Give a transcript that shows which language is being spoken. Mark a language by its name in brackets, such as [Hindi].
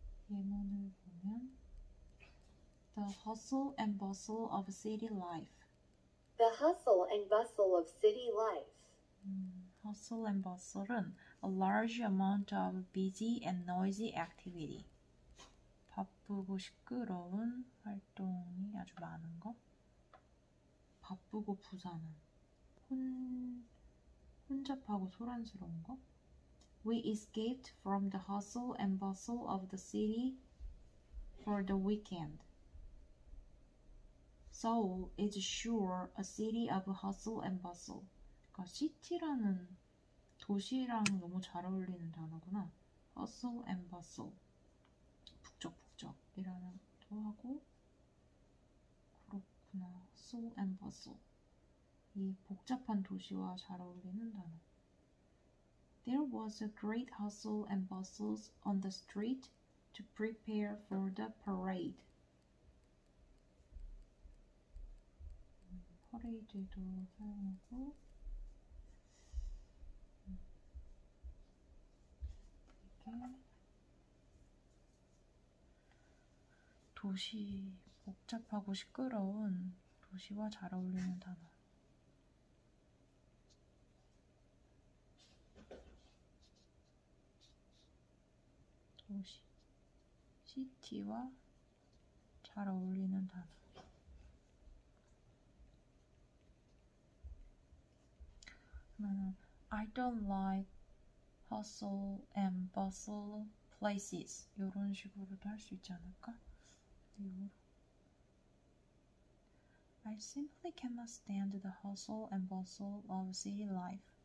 [Korean] 예문을 보면, [English] The hustle and bustle of city life. The hustle and bustle of city life. Hustle and bustle은 a large amount of busy and noisy activity. [Korean] 바쁘고 시끄러운 활동이 아주 많은 것. 바쁘고 부산은 혼잡하고 소란스러운 것. [English] We escaped from the hustle and bustle of the city for the weekend. Seoul is sure a city of hustle and bustle. [Korean] 그러니까 city라는 도시랑 너무 잘 어울리는 단어구나. [English] hustle and bustle. [Korean] 북적북적이라는 것도 하고 그렇구나. [English] hustle and bustle. [Korean] 이 복잡한 도시와 잘 어울리는 단어. [English] There was a great hustle and bustles on the street to prepare for the parade. [Korean] 퍼레이드도 사용하고 도시 복잡하고 시끄러운 도시와 잘 어울리는 단어. 도시, 시티와 잘 어울리는 단어. 그러면 [English] I don't like hustle and bustle places. [Korean] 이런 식으로도 할 수 있지 않을까? [English] I simply cannot stand the hustle and bustle of city life.